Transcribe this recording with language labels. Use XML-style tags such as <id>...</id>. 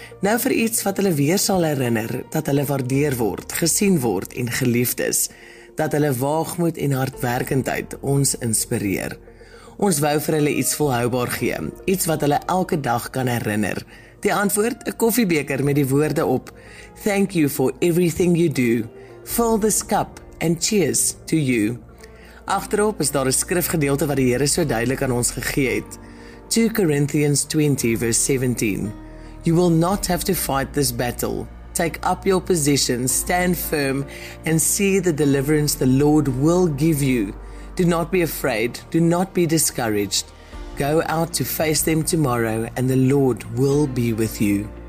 <af>Nou vir iets wat hulle weer sal herinner dat hulle waardeer word, gesien word en geliefd is. Dat hulle waagmoed en hardwerkendheid ons inspireer. Ons wou vir hulle iets volhoubaar gee. Iets wat hulle elke dag kan herinner. Die antwoord, 'n koffiebeker met die woorde op.</af> <en>Thank you for everything you do. Fill this cup and cheers to you.</en> <af>Agterop is daar 'n skrifgedeelte wat die Here so duidelik aan ons gegee het.</af> <en>2 Corinthians 20 verse 17. You will not have to fight this battle. Take up your position, stand firm and see the deliverance the Lord will give you. Do not be afraid, do not be discouraged. Go out to face them tomorrow and the Lord will be with you.</en>